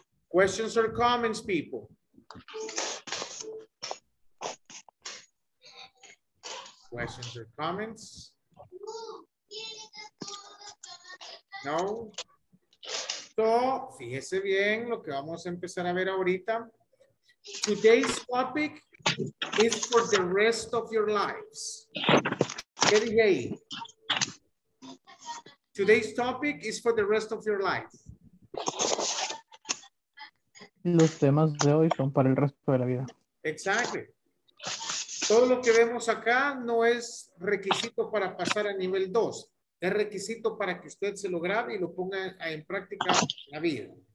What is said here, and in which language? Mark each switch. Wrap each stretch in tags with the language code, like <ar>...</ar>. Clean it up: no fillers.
<en>Questions or comments, people? Questions or comments? No.</en> <es>So, fíjese bien lo que vamos a empezar a ver ahorita.</es> <en>Today's topic is for the rest of your lives.</en> <es>¿Qué dije ahí?</es> <en>Today's topic is for the rest of your life.</en> <es>Los temas de hoy son para el resto de la vida.</es> <en>Exactly.</en> <es>Todo lo que vemos acá no es requisito para pasar a nivel 2. Es requisito para que usted se lo grabe y lo ponga en práctica en la vida.</es>